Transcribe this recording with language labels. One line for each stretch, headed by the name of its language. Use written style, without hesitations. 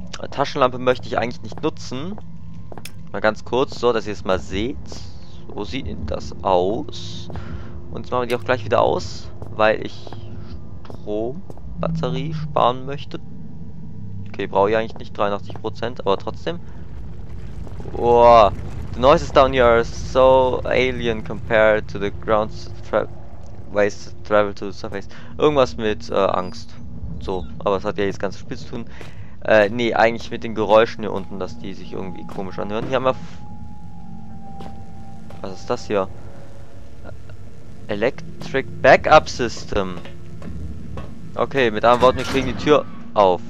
German: Taschenlampe möchte ich eigentlich nicht nutzen. Mal ganz kurz, so dass ihr es mal seht. Wo sieht denn das aus? Und jetzt machen wir die auch gleich wieder aus, weil ich Strombatterie sparen möchte. Okay, brauche ich eigentlich nicht 83%, aber trotzdem.
English: Oh, the noises down here are so alien compared to the ground ways to travel to the surface.
German: Irgendwas mit Angst. So, aber es hat ja jetzt ganz viel zu tun. Nee, eigentlich mit den Geräuschen hier unten, dass die sich irgendwie komisch anhören. Hier haben wir. Was ist das hier? Electric Backup System. Okay, mit anderen Worten, wir kriegen die Tür auf.